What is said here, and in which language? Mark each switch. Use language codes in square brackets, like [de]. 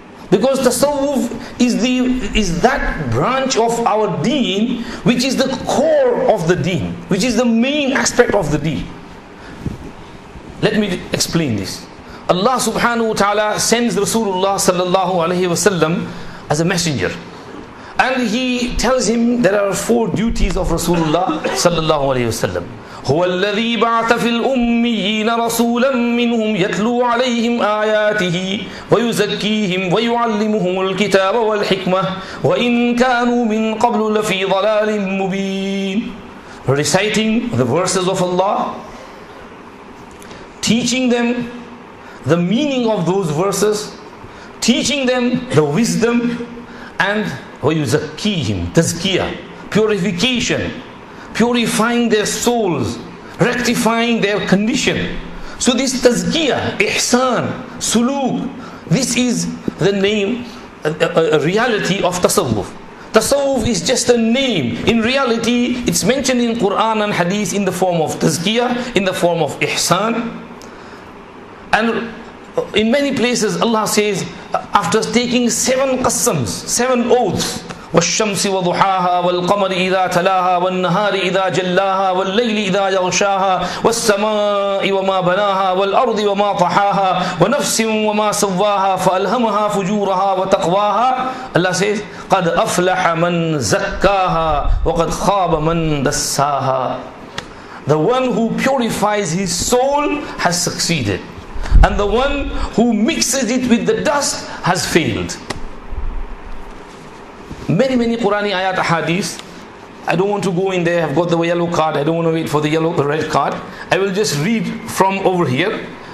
[en] Because tasawwuf is that branch of our deen which is the core of the deen, which is the main aspect of the deen. Let me explain this. Allah subhanahu wa ta'ala sends Rasulullah sallallahu alayhi wa sallam as a messenger. And he tells him there are 4 duties of Rasulullah sallallahu alayhi wa sallam. [ar] هو الذي بعث في الأميين رسولا منهم يتلو عليهم آياته ويزكيهم ويعلمهم الكتاب والحكمة وإن كانوا من قبل لفي ضلال مبين. [en] Reciting the verses of Allah, teaching them the meaning of those verses, teaching them the wisdom, and [ar] ويزكيهم, تزكية, [en] purification, purifying their souls, rectifying their condition. So this tazkiyah, ihsan, suluk, this is the name, a reality of tasawwuf. Tasawwuf is just a name. In reality, it's mentioned in Quran and Hadith in the form of tazkiyah, in the form of ihsan. And in many places, Allah says, after taking 7 qasams, 7 oaths, [ar] والشمس وضحاها والقمر إذا تلاها والنهار إذا جلاها والليل إذا يغشاها والسماء وما بناها والأرض وما طحاها ونفس وما سواها فألهمها فجورها وتقواها. [en] Allah says, [ar] قد أفلح من زكاها وقد خاب من دساها. [en] The one who purifies his soul has succeeded. And the one who mixes it with the dust has failed. Many, many Qurani ayat ahadith. I don't want to go in there. I've got the yellow card. I don't want to wait for the red card. I will just read from over here.